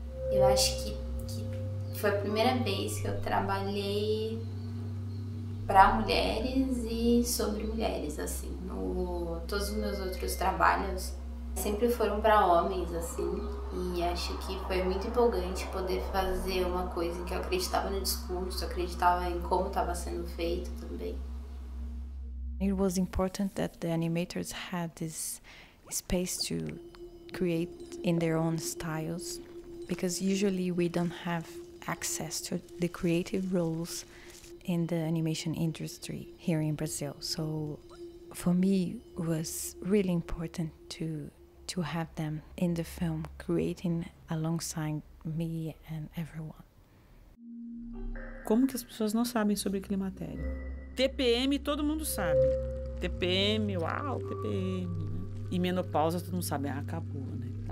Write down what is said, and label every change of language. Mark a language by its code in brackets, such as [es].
[pt] Eu acho que foi a primeira vez que eu trabalhei para mulheres e sobre mulheres, assim. Todos os meus outros trabalhos sempre foram para homens, assim. E acho que foi muito empolgante poder fazer uma coisa que eu acreditava no discurso, acreditava em como estava sendo feito também. [en] It was important that the animators had this space to create in their own styles. Because usually we don't have access to the creative roles in the animation industry here in Brazil. So for me, it was really important to have them in the film, creating alongside me and everyone. [pt] Como que as pessoas não sabem sobre climatério? TPM, todo mundo sabe. TPM, uau, TPM. E menopausa, todo mundo sabe, ah, acabou, né?